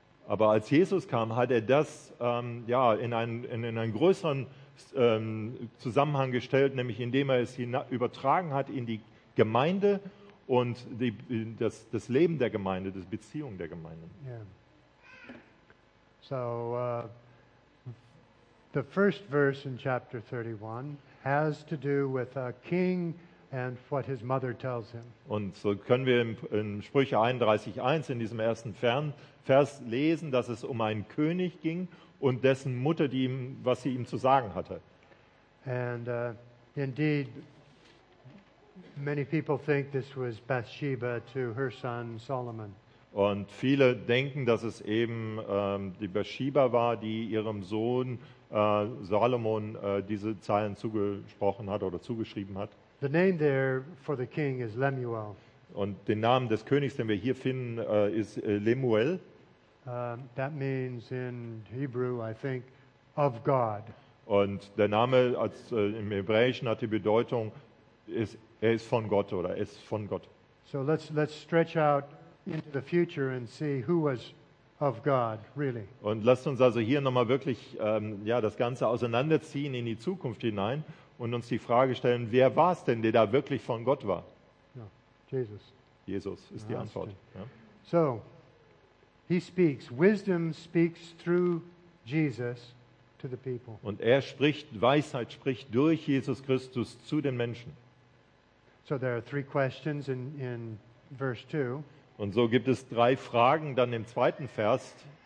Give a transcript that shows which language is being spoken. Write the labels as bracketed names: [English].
[German] Aber als Jesus kam, hat er das in einen größeren Zusammenhang gestellt, nämlich indem er es übertragen hat in die Gemeinde und das Leben der Gemeinde, das Beziehung der Gemeinde. [English] Yeah. So the first verse in chapter 31 has to do with a king and what his mother tells him. [German] Und so können wir in Sprüche 31:1 in diesem ersten Vers lesen, dass es um einen König ging und dessen Mutter, die ihm, was sie ihm zu sagen hatte. [English] And indeed many people think this was Bathsheba to her son Solomon. [German] Und viele denken, dass es eben die Bathsheba war, die ihrem Sohn Salomon diese Zeilen zugesprochen hat oder zugeschrieben hat. [English] The name there for the king is Lemuel. [German] Und den Namen des Königs, den wir hier finden, ist Lemuel. [English] That means in Hebrew, I think, of God. [German] Und der Name als im Hebräischen hat die Bedeutung, er ist von Gott oder er ist von Gott. [English] So let's stretch out into the future and see who was of God really. [German] Und lasst uns also hier nochmal wirklich das Ganze auseinanderziehen in die Zukunft hinein. Und uns die Frage stellen, wer war es denn, der da wirklich von Gott war? Ja, Jesus. Jesus ist die Antwort. Ja. [English] So, he speaks. Wisdom speaks through Jesus to the people. [German] Und er spricht, Weisheit spricht durch Jesus Christus zu den Menschen. [English] So there are three questions in verse 2. [German] Und so gibt es drei Fragen dann im zweiten Vers.